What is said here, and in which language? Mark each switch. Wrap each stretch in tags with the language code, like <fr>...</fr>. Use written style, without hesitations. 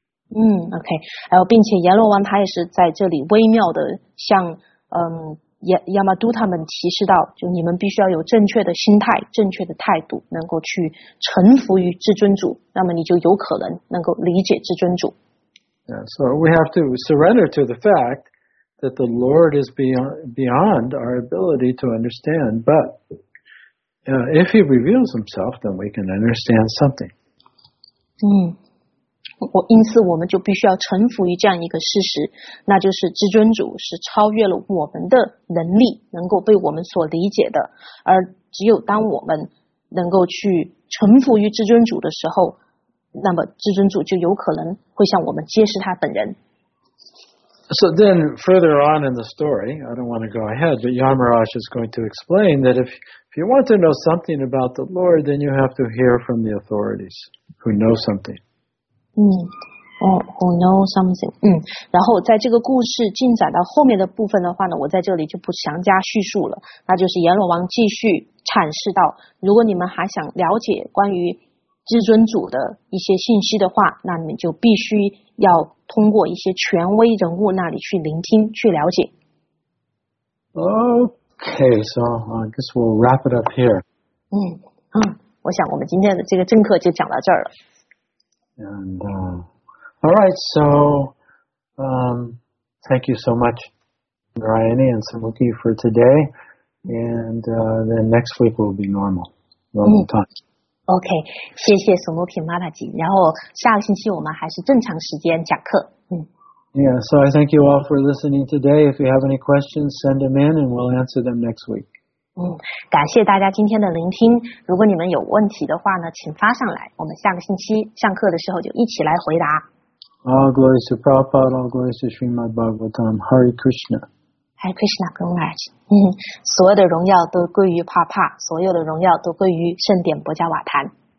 <zh>Mm, okay, 然后并且阎罗王他也是在这里微妙的向亚麻都他们提示到，就你们必须要有正确的心态、正确的态度，能够去臣服于至尊主，那么你就有可能能够理解至尊主。</zh> <en>Yeah, so we have to surrender to the fact that the Lord is beyond our ability to understand, but... if he reveals himself, then we can understand something.</en> <zh>嗯，我因此我们就必须要臣服于这样一个事实，那就是至尊主是超越了我们的能力，能够被我们所理解的。而只有当我们能够去臣服于至尊主的时候，那么至尊主就有可能会向我们揭示他本人。</zh> <en>So then, further on in the story, I don't want to go ahead, but Yamaraj is going to explain that if you want to know something about the Lord, then you have to hear from the authorities who know something. 嗯，哦、who know something.</en> <zh>嗯，然后在这个故事进展到后面的部分的话呢，我在这里就不详加叙述了。那就是阎罗王继续阐释到，如果你们还想了解关于至尊主的一些信息的话，那你们就必须要通过一些权威人物那里去聆听，去了解。</zh> <en>Okay, so I guess we'll wrap it up here.</en> <zh>我想我们今天的这个正课就讲到这儿了。</zh> <en>And, all right, so, thank you so much, Narayani and Samuki for today. And, then next week will be normal time.</en> <zh>OK, 谢谢索莫皮马达吉然后下个星期我们还是正常时间讲课。</zh> <en>Yeah, so I thank you all for listening today. If you have any questions, send them in and we'll answer them next week.</en> <zh>感谢大家今天的聆听。如果你们有问题的话呢请发上来我们下个星期上课的时候就一起来回答。</zh> <en>All glories to Prabhupada, all glories to Srimad Bhagavatam, Hare Krishna. Hare Krishna, Gumaraj.</en> <zh>所有的荣耀都归于帕帕，所有的荣耀都归于圣典博迦瓦坛。</zh>